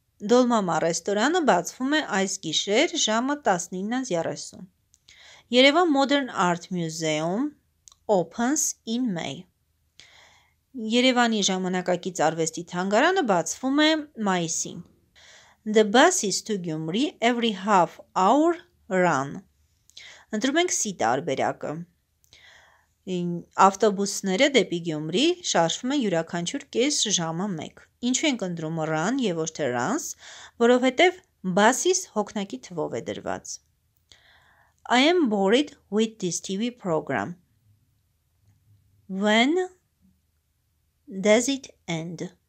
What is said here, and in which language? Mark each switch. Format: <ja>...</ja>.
<hy>Dolmama ռեստորանը բացվում է այս գիշեր ժամը 19:30.</hy> <en>Երևան Modern Art Museum opens in May.</en> <hy>Երևանի ժամանակակից արվեստի թանգարանը բացվում է մայիսին.</hy> <en>The buses to Gyumri every half hour run.</en> <hy>Ընտրում ենք C տարբերակը. Ավտոբուսները դեպի Գյումրի շարժվում են յուրաքանչյուր կես ժամը 1։ Ինչու ենք ընտրում run եւ ոչ թե runs, որովհետեւ buses հոգնակի թվով է դրված.</hy> <en>I am bored with this TV program. When does it end?</en>